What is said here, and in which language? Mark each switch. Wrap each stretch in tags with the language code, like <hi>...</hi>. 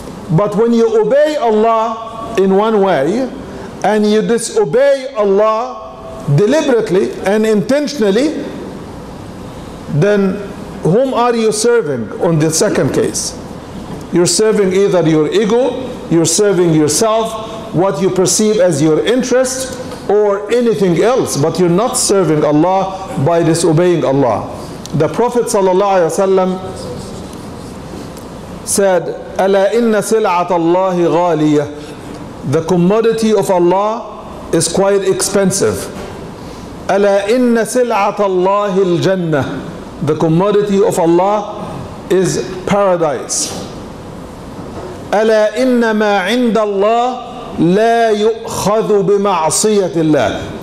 <en>But when you obey Allah in one way and you disobey Allah deliberately and intentionally, then whom are you serving on the second case? You're serving either your ego, you're serving yourself, what you perceive as your interest, or anything else, but you're not serving Allah by disobeying Allah. The Prophet ﷺ said,</en> <ar>أَلَا إِنَّ سِلْعَةَ اللَّهِ غَالِيَةٌ.</ar> <en>The commodity of Allah is quite expensive.</en> <ar>أَلَا إِنَّ سِلْعَةَ اللَّهِ الْجَنَّةِ.</ar> <en>The commodity of Allah is paradise.</en> <ar>أَلَا إِنَّ مَا عِنْدَ اللَّهِ لَا يُؤْخَذُ بِمَعْصِيَةِ اللَّهِ.</ar>